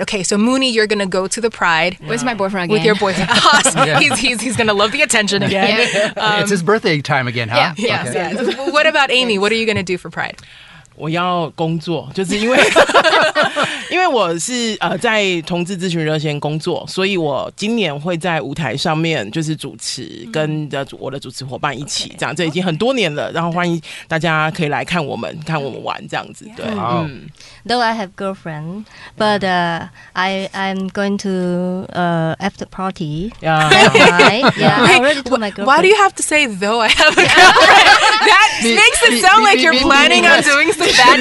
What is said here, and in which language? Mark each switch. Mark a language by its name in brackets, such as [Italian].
[English] Okay, so Mooni, you're going to go to the Pride. With my boyfriend again. With your boyfriend. he's going to love the attention again. It's his birthday time again, huh? Yes. What about Amy? What are you going to do for Pride? [Chinese] 我要工作，就是因为我是在同志咨询热线工作，所以我今年会在舞台上面就是主持，跟着我的主持伙伴一起这样，这已经很多年了，然后欢迎大家可以来看我们，看我们玩这样子。对， [English] Though I have girlfriend, but I'm going to after party. Why do you have to say though I have a girlfriend? That makes it sound like you're planning on doing something.